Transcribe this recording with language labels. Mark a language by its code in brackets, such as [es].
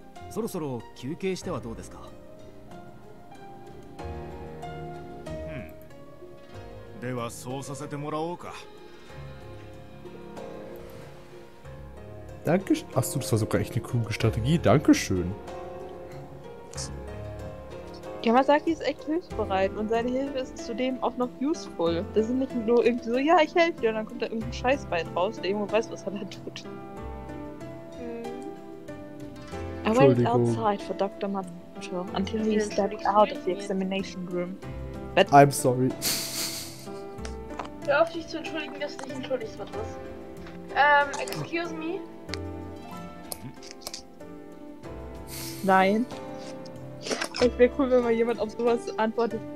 [ja] そろそろ休憩してはどうですか。ではそうさせてもらおうか。 [de] Danke. Achso, das war sogar echt eine kluge Strategie. Dankeschön. Yamazaki ist echt hilfsbereit und seine Hilfe ist zudem auch noch useful. Das ist nicht nur irgendwie so, ja, ich helfe dir und dann kommt da irgendein Scheißbein raus, der irgendwo weiß, was er da tut. [en] I went outside for Dr. Matsumoto until he stepped out of the examination room. But I'm sorry. [de] Hör auf dich zu entschuldigen, dass du dich entschuldigst, Matthias. [en] Excuse me? [de] Nein. Es wäre cool, wenn mal jemand auf sowas antwortet.